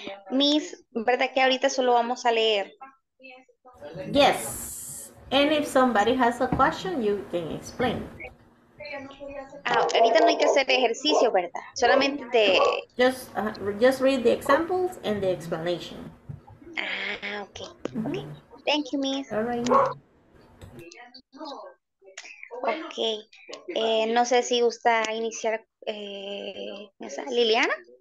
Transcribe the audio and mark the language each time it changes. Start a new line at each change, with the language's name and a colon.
Spanish: Miss, ¿verdad que ahorita solo vamos a leer?
English: Yes. And if somebody has a question, you can explain.
Spanish: Ah, ahorita no hay que hacer ejercicio, ¿verdad? Solamente te...
English: Just read the examples and the explanation. Ah, okay. Mm-hmm. Okay. Thank you, miss. All right.
Spanish: Ok, no sé si gusta iniciar, esa, ¿Liliana?